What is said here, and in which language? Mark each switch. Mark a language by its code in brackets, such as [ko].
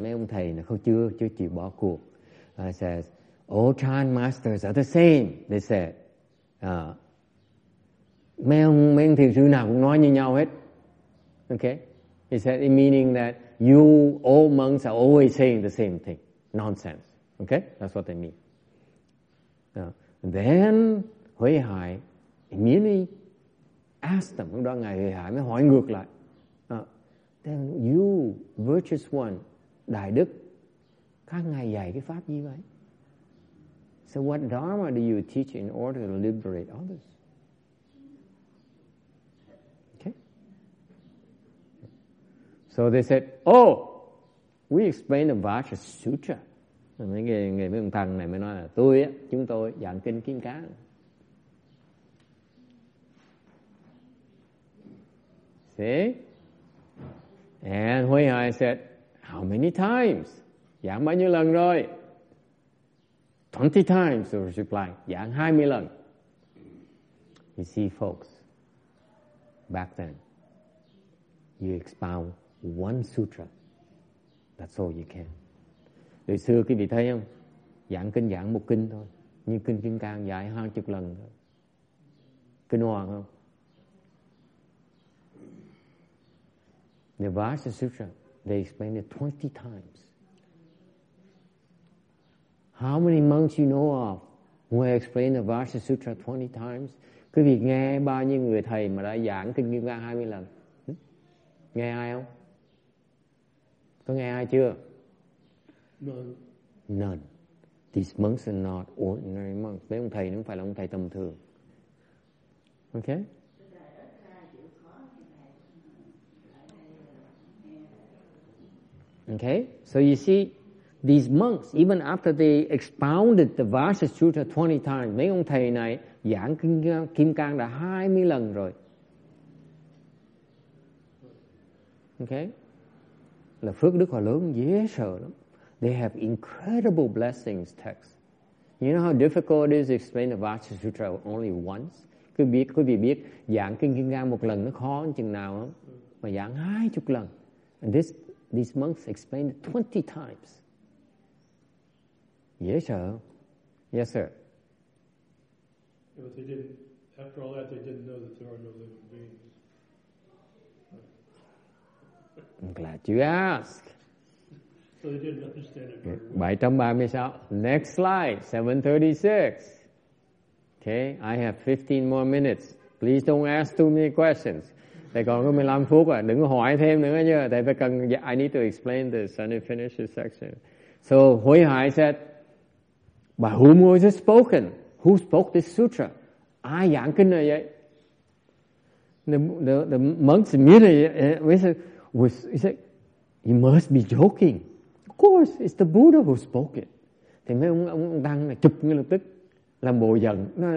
[vi] Mấy ông thầy nó không chưa chịu bỏ cuộc. [en] I says, all Chan masters are the same. They said, [vi] mấy ông thiền sư nào cũng nói như nhau hết. [en] Okay, he said, it meaning that you all monks are always saying the same thing, nonsense. Okay, that's what they mean. Then Huy Hải immediately asked them, [vi] lúc đó Ngài Huy Hải mới hỏi ngược lại, [en] then you, virtuous one, [vi] Đại Đức, các ngài dạy cái pháp gì vậy? [en] So what dharma do you teach in order to liberate others? Okay. So they said, oh, we explain the Vajra Sutra. [vi] Mấy người mấy ông thằng này mới nói là tôi á, chúng tôi giảng kinh Kim Cang. [en] See? And Huy Hải said, how many times? [vi] Giảng bao nhiêu lần rồi? [en] 20 times, he replied. [vi] Giảng 20 lần. [en] You see, folks, back then, you expound one sutra. That's all you can. [vi] Từ xưa quý vị thấy không? Giảng kinh giảng một kinh thôi. Nhưng kinh Kim Cang giải 20 lần thôi. kinh hoàng không? [en] The Vajra Sutra, they explain it 20 times. How many monks you know of who explain the Vajra Sutra 20 times? [vi] Quý vị nghe bao nhiêu người thầy mà đã giảng kinh Kim Cang 20 lần? Nghe ai không? Có nghe ai chưa? [en] None. None. These monks are not ordinary monks. [vi] Mấy ông thầy nó không phải là ông thầy tầm thường. [en] Okay? Okay, so you see, these monks, even after they expounded the Vajra Sutra 20 times, [vi] mấy ông thầy này giảng Kim Cang đã 20 lần rồi. [en] Okay? [vi] Là phước đức họ lớn, dễ sợ lắm. [en] They have incredible blessings text. You know how difficult it is to explain the Vajra Sutra only once? [vi] Quý vị biết giảng Kim Cang một lần nó khó chừng nào không? Mà giảng 20 lần. [en] And this these monks explained 20 times. Yes, sir. Yes, sir. Yeah, but they didn't, after all that, they didn't know that there are no living beings. I'm glad you asked. So they didn't understand it. 736. Next slide, 736. Okay, I have 15 more minutes. Please don't ask too many questions. [vi] Thầy còn có 15 phút à, đừng hỏi thêm nữa nhớ. Thầy phải cần, [en] I need to explain this and finish this section. So, Hối Hải said, by whom was it spoken? Who spoke this sutra? Ai giảng kinh này vậy? The monks immediately, he said, you must be joking. Of course, it's the Buddha who spoke it. [vi] Thì mấy ông Đăng là chụp ngay lập tức, làm bộ giận.